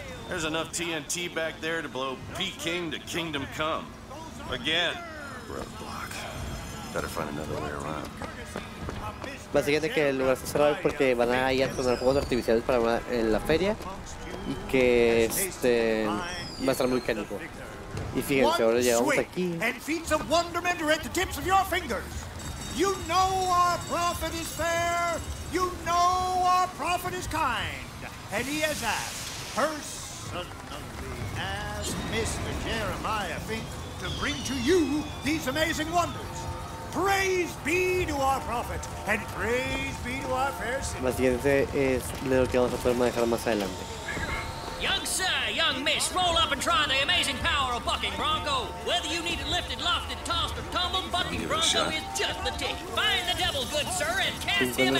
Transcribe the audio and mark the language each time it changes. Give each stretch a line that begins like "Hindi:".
English: There's enough TNT back there to blow Peking to Kingdom Come. Again. We're on the block. Better find another way around.
Spanish: Básicamente que el lugar está cerrado porque van a ir a poner fuegos artificiales para en la feria y que va a estar muy caliente. Y fíjense, ahora llegamos aquí.
English: And feats of wonderment are at the tips of your fingers. You know our prophet is fair. You know our prophet is kind. And he has asked personally, as Mr. Jeremiah Fink, to bring to you these amazing wonders. Praise be to our prophet. And praise be to our fair city.
Spanish: La siguiente es de lo que vamos a poder manejar más adelante.
English: Young sir, young miss, roll up and try the amazing power of Bucking Bronco. Whether you need it lifted, lofted, tossed, or tumbled, Bucking Bronco is just the ticket. Find the devil, good sir, and cast him out.